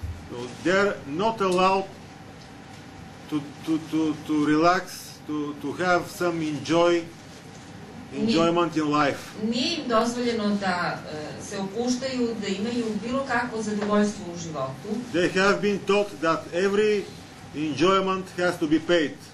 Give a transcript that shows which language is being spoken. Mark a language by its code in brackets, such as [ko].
[en] So they are not allowed to relax, to have some enjoyment in life. [sr] Nije im dozvoljeno da se opuštaju, da imaju bilo kakvo zadovoljstvo u životu. [en] They have been taught that every enjoyment has to be paid.